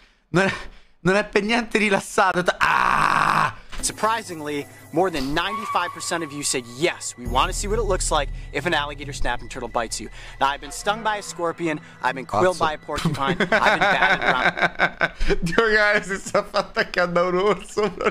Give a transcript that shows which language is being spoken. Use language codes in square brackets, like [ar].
[it] Non è per niente rilassato. [en] Surprisingly, more than 95% of you said yes. We want to see what it looks like if an alligator snapping turtle bites you. Now, I've been stung by a scorpion. I've been quilled by a porcupine. I've been batted around. [it] Dio, ragazzi, si sta attaccando a un orso.